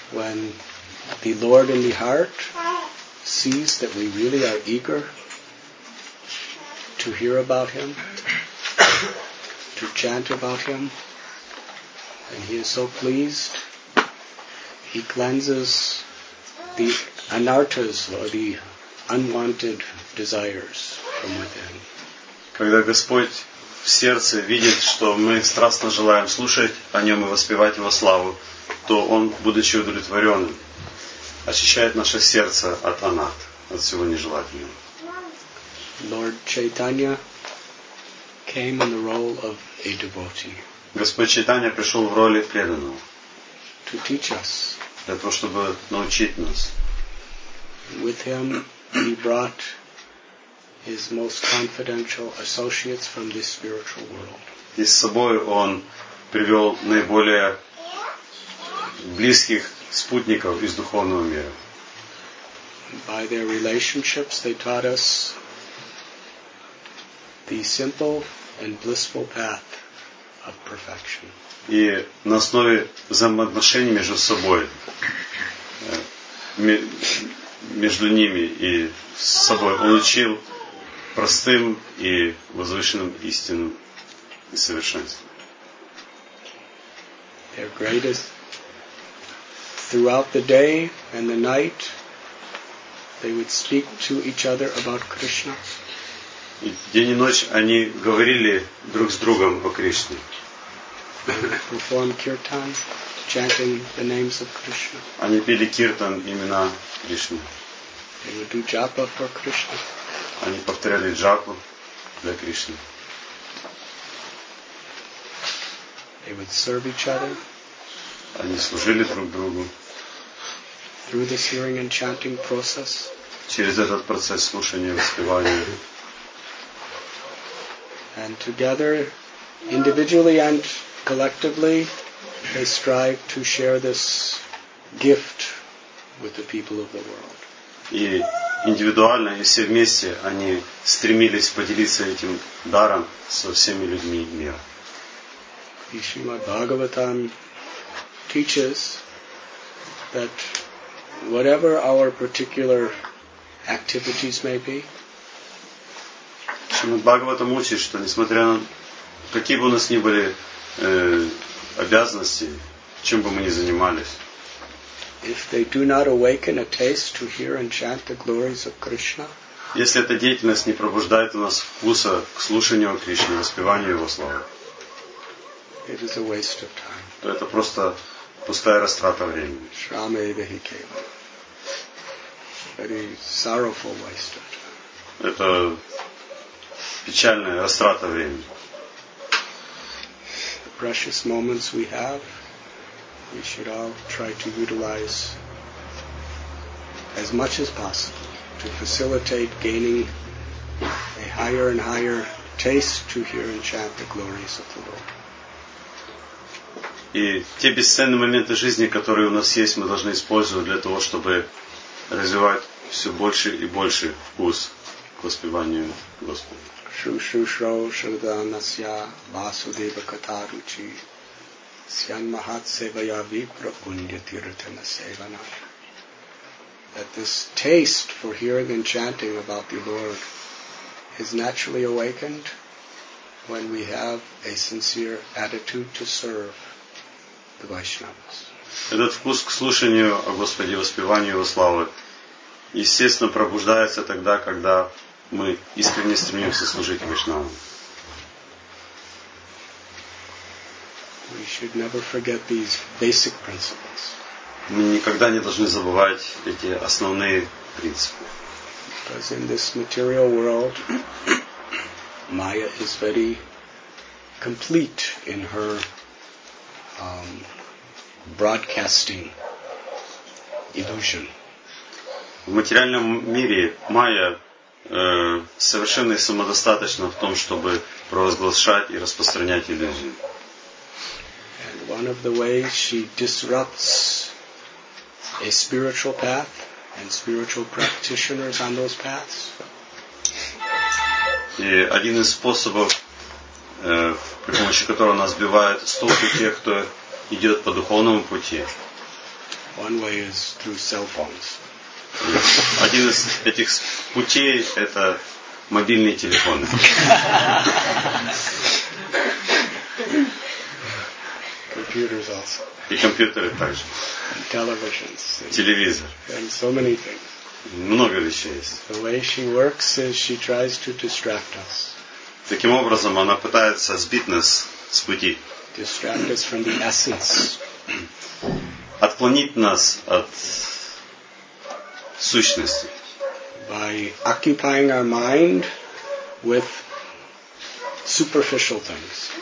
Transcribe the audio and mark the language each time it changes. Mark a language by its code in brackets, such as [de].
[en] When the Lord in the heart sees that we really are eager to hear about Him. To chant about him, and he is so pleased. He cleanses the anartas or the unwanted desires from within. [ru] Когда Господь в сердце видит, что мы страстно желаем слушать о нем и воспевать его славу, то он, будучи удовлетворенным, очищает наше сердце от анарт, от всего нежелательного. [en] Lord Chaitanya came in the role of a devotee. [ru] Господь Чайтанья пришел в роли преданного. [en] To teach us. [ru] Для того, чтобы научить нас. [en] With him he brought his most confidential associates from this spiritual world. [ru] И с собой он привел наиболее близких спутников из духовного мира. [en] By their relationships they taught us the simple and blissful path of perfection. [ru] И на основе взаимоотношений между собой, между ними и с собой, он учил простым и возвышенным истинам и совершенствам. [en] Their greatest throughout the day and the night they would speak to each other about Krishna. [ru] И день и ночь они говорили друг с другом о Кришне. [en] Perform kirtan, chanting the names of Krishna. [ru] Они пели киртан имена Кришны. [en] They would do japa for Krishna. [ru] Они повторяли джапу для Кришны. [en] They would serve each other. [ru] Они служили друг другу. [en] Through this hearing and chanting process. [ru] Через этот процесс слушания и воспевания. [en] And together, individually and collectively, they strive to share this gift with the people of the world. [ru] И индивидуально и все вместе они стремились поделиться этим даром со всеми людьми мира. И [en] Шримад Бхагаватам teaches that whatever our particular activities may be. [ru] Шримад Бхагаватам учит, что несмотря на какие бы у нас ни были обязанности, чем бы мы ни занимались. [en] If they do not awaken a taste to hear and chant the glories of Krishna. [ru] Если эта деятельность не пробуждает у нас вкуса к слушанию о Кришне, воспеванию Его слова. [en] It is a waste of time. [ru] То это просто пустая растрата времени. [sa] Shrama eva hi kevalam. [en] Very sorrowful waste of time. [ru] Это печальная растрата времени. [en] The precious moments we have, we should all try to utilize as much as possible to facilitate gaining a higher and higher taste to hear and chant the glories of the Lord. [ru] И те бесценные моменты жизни, которые у нас есть, мы должны использовать для того, чтобы развивать все больше и больше вкус к воспеванию Господа. [sa] Шу-шу-шроу шрдана-сья васу-дива-ката-ручи сян-махат-севая-випра-пунья-тиртана-севана. [en] That this taste for hearing and chanting about the Lord is naturally awakened when we have a sincere attitude to serve the Vaishnavas. [ru] Этот вкус к слушанию о Господе, воспеванию Его славы, естественно, пробуждается тогда, когда мы искренне стремимся служить Вайшнавам. [en] We should never forget these basic principles. [ru] Мы никогда не должны забывать эти основные принципы. [en] Because in this material world, Maya is very complete in her broadcasting illusion. [ru] В материальном мире Майя совершенно самодостаточна в том, чтобы провозглашать и распространять иллюзию. [en] And one of the ways she disrupts a spiritual path and spiritual practitioners on those paths. [ru] И один из способов, при помощи которого она сбивает с толку тех, кто идет по духовному пути. [en] One way is through cell phones. [ru] Один из этих путей – это мобильные телефоны. [en] Computers also. [ru] И компьютеры также. [en] Televisions. [ru] Телевизор. [en] And so many things. [ru] Много вещей есть. [en] The way she works is she tries to distract us. [ru] Таким образом, она пытается сбить нас с пути. [en] Distract us from the essence. [ru] Отклонить нас от сущности. [en] By occupying our mind with superficial things.